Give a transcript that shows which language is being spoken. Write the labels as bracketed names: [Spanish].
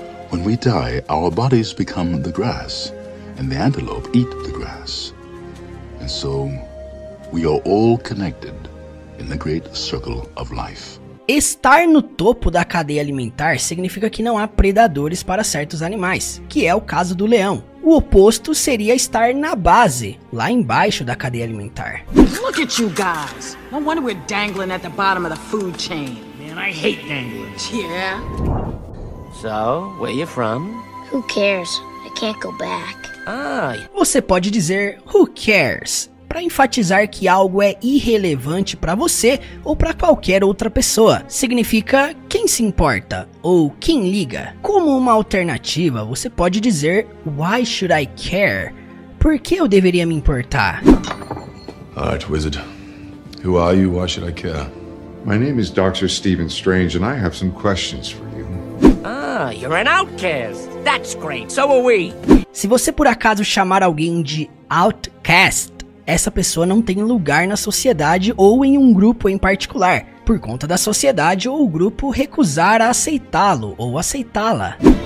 [English] When we die, our bodies become the grass, and the antelope eat the grass. And so, we are all connected in the great circle of life. [Portuguese] Estar no topo da cadeia alimentar significa que não há predadores para certos animais, que é o caso do leão. O oposto seria estar na base, lá embaixo da cadeia alimentar. [English] Look at you guys. No wonder we're dangling at the bottom of the food chain. Man, I hate dangling. Yeah. So, where you from? Who cares? I can't go back. [Portuguese] Você pode dizer [English] who cares [Portuguese] para enfatizar que algo é irrelevante para você ou para qualquer outra pessoa. Significa quem se importa ou quem liga. Como uma alternativa, você pode dizer [English] why should I care? [Portuguese] Por que eu deveria me importar? [English] All right, wizard. Who are you? Why should I care? My name is Dr. Stephen Strange and I have some questions for you. You're an outcast. That's great. So are we. [Portuguese] Se você por acaso chamar alguém de outcast, essa pessoa não tem lugar na sociedade ou em um grupo em particular, por conta da sociedade ou o grupo recusar a aceitá-lo ou aceitá-la.